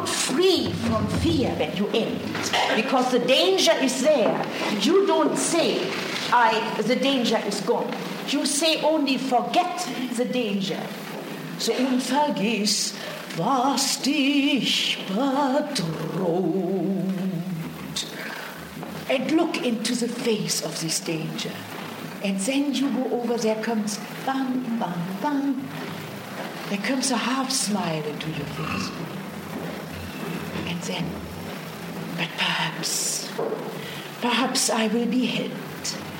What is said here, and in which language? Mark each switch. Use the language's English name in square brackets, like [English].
[English] Because the danger is there. You don't say, the danger is gone. You say only, forget the danger. [German] So, und vergiss, was dich bedroht. [English] And look into the face of this danger. And then you go over, there comes, bang, bang, bang. There comes a half smile into your face. And then, but perhaps I will be helped.